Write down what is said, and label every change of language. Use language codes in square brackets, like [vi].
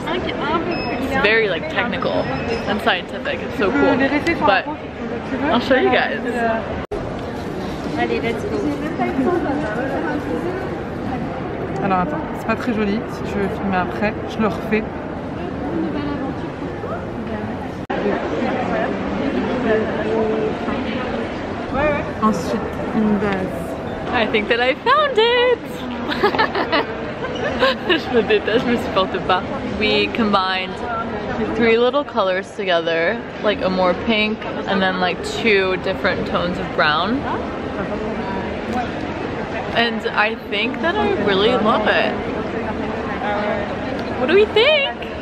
[en] It's very like technical and scientific, it's so cool, but I'll show you guys. [fr] Allez, [en] let's go. [fr] Alors attends, c'est pas très joli. Si tu veux filmer après, je le refais. Ensuite, une base. [en] I think that I found it. [fr] Je me déteste, je me supporte pas. [en] We combined three little colors together, like a more pink and then like two different tones of brown. And I think that I really love it. What do we think?